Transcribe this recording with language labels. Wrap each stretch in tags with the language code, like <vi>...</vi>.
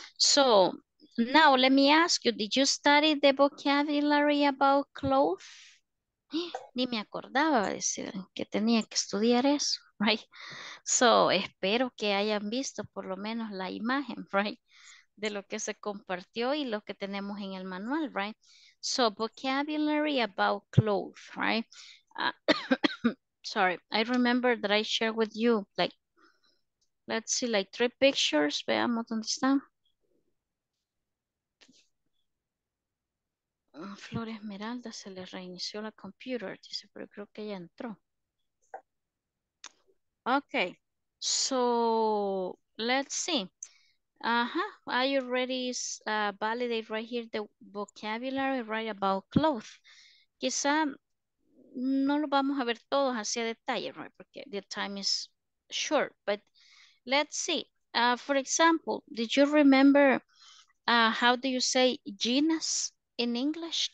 <en>So now let me ask you, did you study the vocabulary about clothes?</en> <es>Ni me acordaba decir que tenía que estudiar eso, right? So espero que hayan visto por lo menos la imagen, right? De lo que se compartió y lo que tenemos en el manual, right?</es> <en>So vocabulary about clothes, right? sorry, I remember that I shared with you, like, let's see, like three pictures.</en> <es>Veamos dónde están. Flor Esmeralda se le reinició la computer, dice, pero creo que ya entró.</es> <en>Okay, so let's see. Uh-huh. Are you ready to validate right here the vocabulary right about clothes?</en> <es>Quizá no lo vamos a ver todos hacia detalle, right?</es> <en>Porque the time is short, but let's see. For example, did you remember how do you say Gina's in English?</en>